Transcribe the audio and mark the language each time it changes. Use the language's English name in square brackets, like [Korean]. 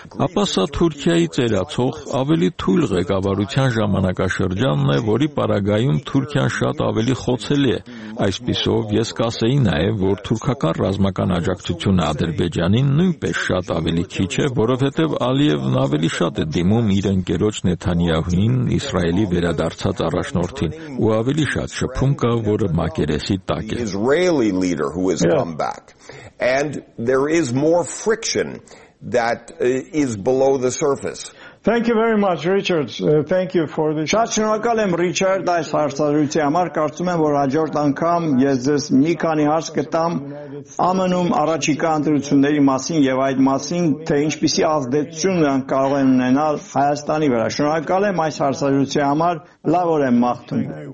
[Armenian] ապա սա Թուրքիայի ծերացող ավելի թույլ ղեկավարության ժամանակաշրջանն է, որի պարագայում Թուրքիան շատ ավելի խոցելի է։ Այսպիսով ես կասեի նաև, որ թուրքական ռազմական աջակցությունը Ադրբեջանին նույնպես շատ ավելի քիչ է, որովհետև Ալիևն ավելի շատ է դիմում իր ընկերոջ Նեթանյահուին, Իսրայելի վերադարձած առաջնորդին, ու ավելի շատ շփում կա, որը մակերեսի տակ է։ [English] And there is more friction that is below the surface. Thank you very much, Richard. Thank you for this. [Armenian] Շատ շնորհակալ եմ, Ռիչարդ, այս հարցազրույցի համար։ Կարծում եմ, որ հաջորդ անգամ ես ձեզ մի քանի հարց կտամ ԱՄՆ-ում առաջիկա ընտրությունների մասին եւ այդ մասին, թե ինչպիսի ազդեցություն կարող են ունենալ Հայաստանի վրա։ Շնորհակալ եմ այս հարցազրույցի համար։ Լավ օր եմ մաղթում։